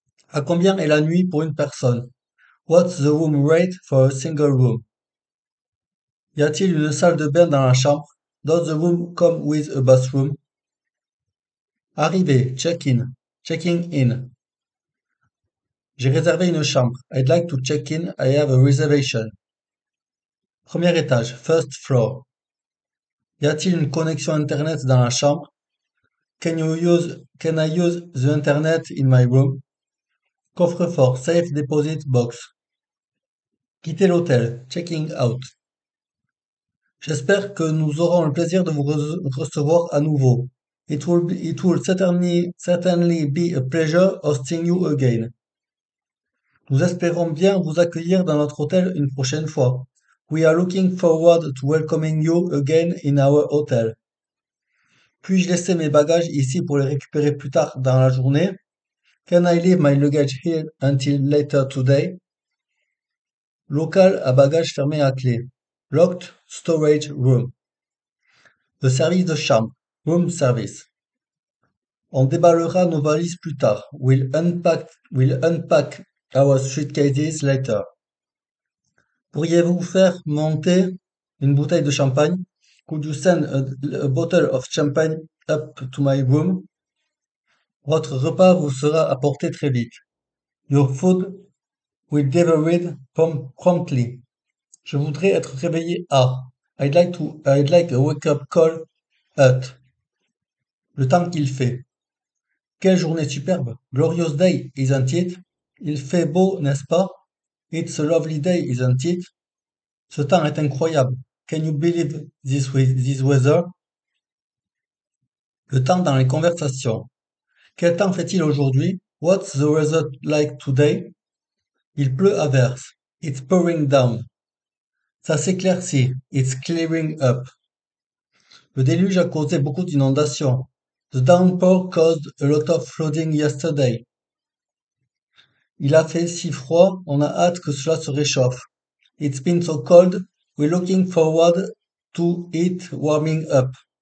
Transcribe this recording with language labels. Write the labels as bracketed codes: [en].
[fr] À combien est la nuit pour une personne? [en] What's the room rate for a single room? [fr] Y a-t-il une salle de bain dans la chambre? [en] Does the room come with a bathroom? Arrivée, checking in. [fr] J'ai réservé une chambre. [en] I'd like to check in. I have a reservation. [fr] Premier étage, [en] first floor. [fr] Y a-t-il une connexion Internet dans la chambre? [en] Can I use the Internet in my room? Coffre-fort, safe deposit box. [fr] Quitter l'hôtel, [en] checking out. [fr] J'espère que nous aurons le plaisir de vous re recevoir à nouveau. [en] It will certainly be a pleasure hosting you again. [fr] Nous espérons bien vous accueillir dans notre hôtel une prochaine fois. [en] We are looking forward to welcoming you again in our hotel. [fr] Puis-je laisser mes bagages ici pour les récupérer plus tard dans la journée? [en] Can I leave my luggage here until later today? [fr] Local à bagages fermés à clé. [en] Locked storage room. [fr] Le service de chambre. [en] Room service. [fr] On déballera nos valises plus tard. [en] We'll unpack our suitcases later. [fr] Pourriez-vous faire monter une bouteille de champagne? [en] Could you send a bottle of champagne up to my room? [fr] Votre repas vous sera apporté très vite. [en] Your food will be delivered promptly. [fr] Je voudrais être réveillé à. [en] I'd like a wake-up call at. [fr] Le temps qu'il fait. Quelle journée superbe. [en] Glorious day, isn't it? [fr] Il fait beau, n'est-ce pas? [en] It's a lovely day, isn't it? [fr] Ce temps est incroyable. [en] Can you believe this weather? [fr] Le temps dans les conversations. Quel temps fait-il aujourd'hui? [en] What's the weather like today? [fr] Il pleut à verse. [en] It's pouring down. [fr] Ça s'éclaircit. [en] It's clearing up. [fr] Le déluge a causé beaucoup d'inondations. [en] The downpour caused a lot of flooding yesterday. [fr] Il a fait si froid, on a hâte que cela se réchauffe. [en] It's been so cold, we're looking forward to it warming up.